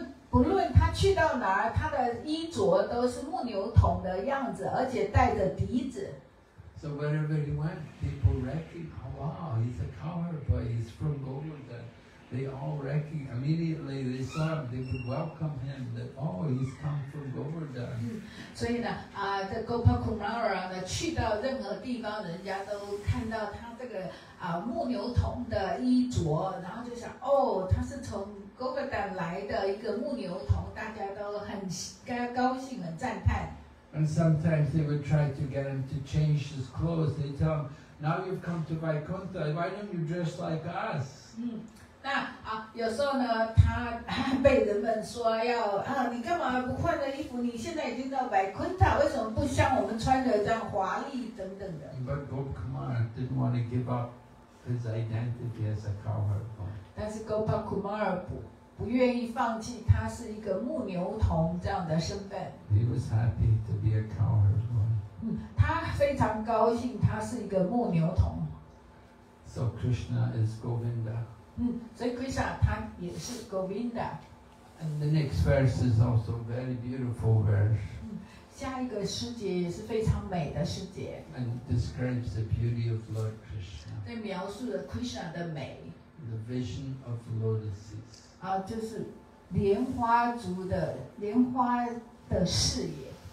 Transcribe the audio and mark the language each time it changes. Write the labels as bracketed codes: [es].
[zh] 不论他去到哪儿，他的衣着都是牧牛童的样子，而且带着笛子。 [en] So wherever he went, people recognized, wow, he's a cowherd boy, he's from Govardhan. They all recognized, immediately they saw him, they would welcome him, that, oh, he's come from Govardhan. [zh] 所以呢，这 Gopal Kumara 呢，去到任何地方，人家都看到他这个牧牛童的衣着，然后就想，哦，他是从Govardhan 来的一个牧牛童，大家都很高兴，很赞叹。 [en] And sometimes they would try to get him to change his clothes. They tell him, "Now you've come to Vaikuntha. Why don't you dress like us?" [zh] 有时候呢，他被人们说要你干嘛不换了衣服？你现在已经到 Vaikuntha， 为什么不像我们穿的这样华丽等等的 [en] ？But Govardhan didn't want to give up his identity as a cowherd boy. [zh] 但是 Gopal Kumar 不愿意放弃他是一个牧牛童这样的身份。 [en] He was happy to be a cowherd boy. [zh] 他非常高兴他是一个牧牛童。 [en] So Krishna is Govinda. [zh] 所以 Krishna 他也是 Govinda. [en] And the next verse is also a very beautiful verse. [zh] 下一个诗节也是非常美的诗节。 [en] And describes the beauty of Lord Krishna. [zh] 描述了 Krishna 的美。 [en] The vision of lotuses. [zh] 啊，就是莲花族的莲花的视野。